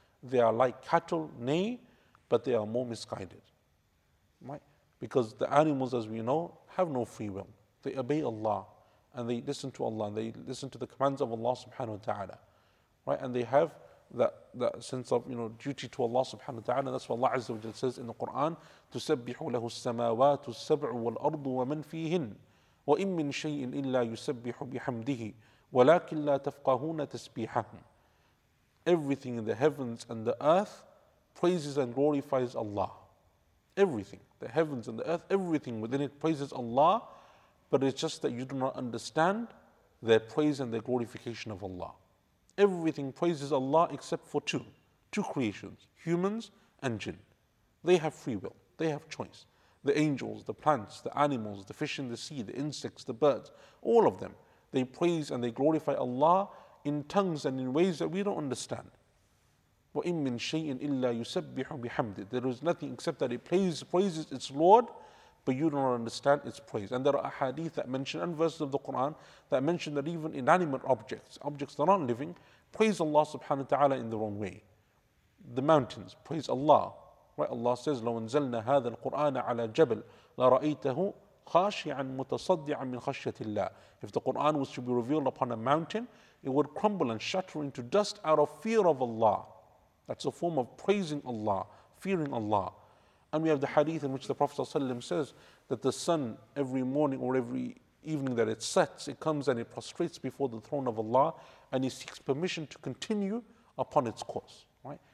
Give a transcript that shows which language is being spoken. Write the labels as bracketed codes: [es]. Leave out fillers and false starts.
[en] They are like cattle, nay, but they are more misguided. Right? Because the animals, as we know, have no free will. They obey Allah and they listen to Allah and they listen to the commands of Allah subhanahu wa ta'ala. Right? And they have that sense of, you know, duty to Allah subhanahu wa ta'ala. That's what Allah Azza wa Jalla says in the Quran, [ar] تُسَبِّحُ لَهُ السَّمَاوَاتُ السَّبْعُ وَالْأَرْضُ وَمَنْ فِيهِنْ وَإِنْ مِنْ شَيْءٍ إِلَّا يُسَبِّحُ بِحَمْدِهِ وَلَكِنْ لَا تَفْقَهُونَ تَسْبِيحَهُمْ. [en] Everything in the heavens and the earth praises and glorifies Allah. Everything, the heavens and the earth, everything within it praises Allah, but it's just that you do not understand their praise and their glorification of Allah. Everything praises Allah except for two creations, humans and jinn. They have free will, they have choice. The angels, the plants, the animals, the fish in the sea, the insects, the birds, all of them, they praise and they glorify Allah in tongues and in ways that we don't understand. [ar] وَإِن مِّن شَيْءٍ إِلَّا يُسَبِّحُ بِحَمْدِ. [en] There is nothing except that it praises its Lord, but you don't understand its praise. And there are ahadith that mention, and verses of the Quran, that mention that even inanimate objects, objects that aren't living, praise Allah subhanahu wa ta'ala in their own way. The mountains, praise Allah. Right? Allah says, [ar] لَوْ أَنزَلْنَا هَذَا الْقُرْآنَ عَلَى جَبَلٍ لَرَأَيْتَهُ خَاشِعًا مُتَصَدِّعًا مِّنْ خَشْيَةِ اللَّهِ. [en] If the Quran was to be revealed upon a mountain, it would crumble and shatter into dust out of fear of Allah. That's a form of praising Allah, fearing Allah. And we have the hadith in which the Prophet ﷺ says that the sun, every morning or every evening that it sets, it comes and it prostrates before the throne of Allah and it seeks permission to continue upon its course. Right?